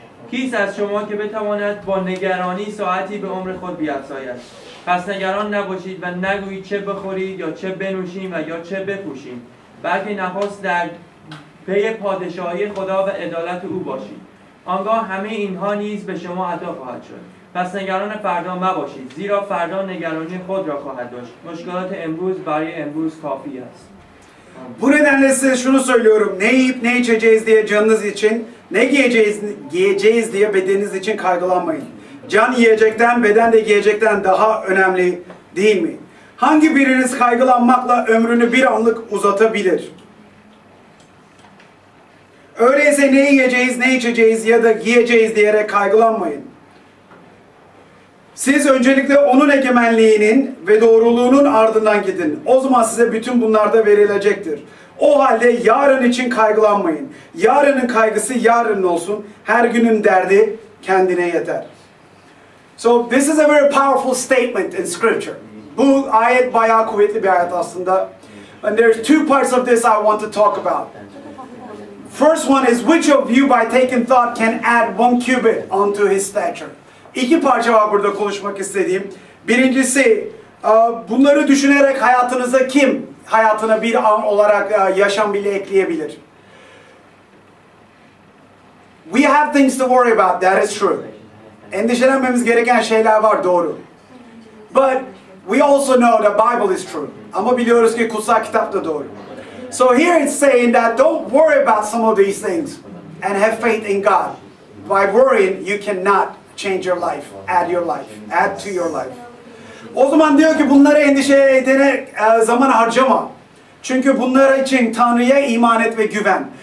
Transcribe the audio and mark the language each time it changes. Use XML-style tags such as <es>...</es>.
<fa>کیست از شما که بتواند با نگرانی ساعتی به عمر خود بیفزاید پس نگران نباشید و نگویید چه بخورید یا چه بنوشید و یا چه بپوشید بلکه نخست در پی پادشاهی خدا و عدالت او باشید آنگاه همه اینها نیز به شما عطا خواهد شد پس نگران فردا مباشید زیرا فردا نگرانی خود را خواهد داشت مشکلات امروز برای امروز کافی است</fa> <tr>Bu nedenle size şunu söylüyorum. Ne yiyip ne içeceğiz diye canınız için, ne giyeceğiz diye bedeniniz için kaygılanmayın. Can yiyecekten, beden de giyecekten daha önemli değil mi? Hangi biriniz kaygılanmakla ömrünü bir anlık uzatabilir? Öyleyse ne yiyeceğiz, ne içeceğiz ya da giyeceğiz diyerek kaygılanmayın. Siz öncelikle onun egemenliğinin ve doğruluğunun ardından gidin. O zaman size bütün bunlar da verilecektir. O halde yarın için kaygılanmayın. Yarının kaygısı yarın olsun. Her günün derdi kendine yeter.</tr> <en>So this is a very powerful statement in scripture.</en> <tr>Bu ayet bayağı kuvvetli bir ayet aslında.</tr> <en>And there's two parts of this I want to talk about. First one is which of you by taking thought can add one cubit onto his stature?</en> <tr>İki parça var burada konuşmak istediğim. Birincisi, bunları düşünerek hayatınıza kim hayatına bir an olarak yaşam bile ekleyebilir?</tr> <en>We have things to worry about, that is true.</en> <tr>Endişelenmemiz gereken şeyler var, doğru.</tr> <en>But we also know the Bible is true.</en> <tr>Ama biliyoruz ki kutsal kitap da doğru.</tr> <en>So here it's saying that don't worry about some of these things and have faith in God. By worrying, you cannot change your life, add your life, add to your life.</en> <tr>O zaman diyor ki bunları endişe ederek zaman harcama. Çünkü bunlar için Tanrı'ya iman et ve güven.</tr>